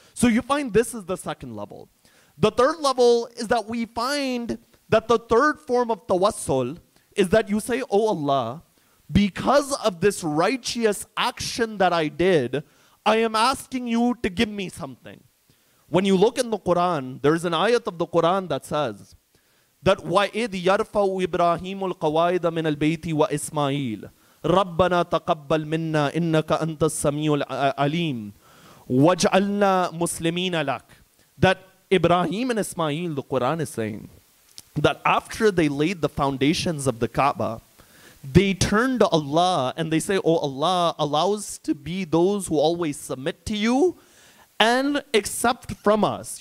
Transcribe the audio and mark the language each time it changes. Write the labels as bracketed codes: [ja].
[en] So you find this is the second level. The third level is that we find that the third form of tawassul is that you say, oh Allah, because of this righteous action that I did, I am asking you to give me something. When you look in the Quran, there is an ayat of the Quran that says that [ar] وَإِذْ يَرْفَعُ إِبْرَاهِيمُ الْقَوَائِدَ مِنَ الْبَيْتِ وَإِسْمَائِيلِ, ربنا تقبل منا انك انت السميع العليم واجعلنا مسلمين لك. [en] That Ibrahim and Ismail, the Quran is saying, that after they laid the foundations of the Kaaba, they turned to Allah and they say, oh Allah, allow us to be those who always submit to you and accept from us.